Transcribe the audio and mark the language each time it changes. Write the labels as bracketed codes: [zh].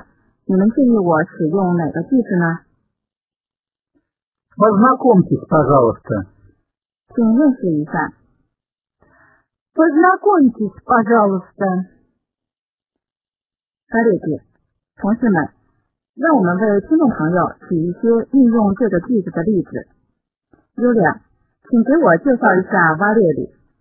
[zh] 如果我不想介绍自己，而是自己的同事的话，你们建议我使用哪个句子呢？ [ru] Познакомьтесь, пожалуйста. [zh] 请认识一下。 [ru] Познакомьтесь, пожалуйста. [zh] Коллеги, 同事们, 让我们为听众朋友举一些运用这个句子的例子。 Юля, 请给我介绍一下 Валерий。